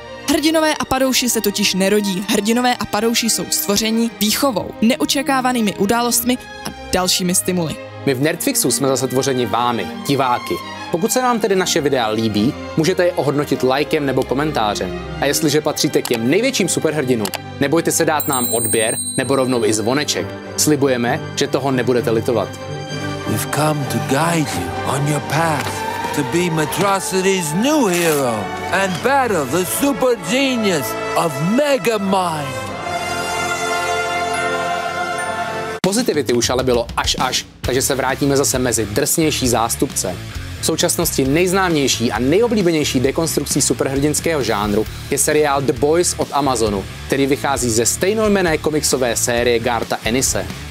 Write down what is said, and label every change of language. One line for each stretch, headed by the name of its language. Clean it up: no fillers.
Czech: Hrdinové a padouši se totiž nerodí, hrdinové a padouši jsou stvoření výchovou, neočekávanými událostmi a dalšími stimuly. My v Nerdfixu jsme zase tvořeni vámi, diváky. Pokud se vám tedy naše videa líbí, můžete je ohodnotit lajkem nebo komentářem. A jestliže patříte k těm největším superhrdinům, nebojte se dát nám odběr nebo rovnou i zvoneček. Slibujeme, že toho nebudete litovat.
English: We've come to guide you on your path to be Metrocity's new hero and battle the super genius of Megamind.
Czech: Pozitivity už ale bylo až, takže se vrátíme zase mezi drsnější zástupce. současnosti nejznámější a nejoblíbenější dekonstrukcí superhrdinského žánru je seriál The Boys od Amazonu, který vychází ze stejnojmenné komiksové série Gartha Ennise.